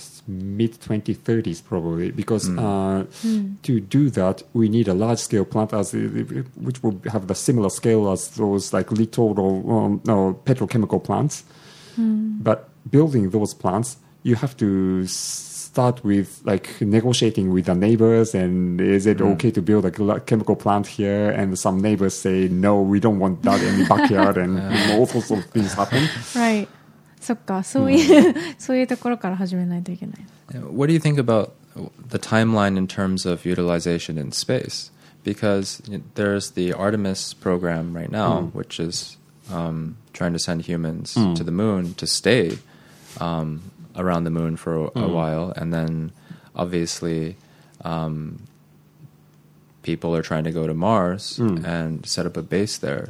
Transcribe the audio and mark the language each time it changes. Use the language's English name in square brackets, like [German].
[English] Mid-2030s probably, because to do that, we need a large-scale plant which will have the similar scale as those like little petrochemical plants. But building those plants, you have to start with like negotiating with the neighbors, and is it okay to build a chemical plant here? And some neighbors say, no, we don't want that in the backyard, and all sorts of things happen. Right. [Japanese] そっか、そういう、そういうところから始めないといけない。 [English] What do you think about the timeline in terms of utilization in space? Because there's the Artemis program right now, which is trying to send humans to the moon to stay around the moon for a while, and then obviously people are trying to go to Mars and set up a base there.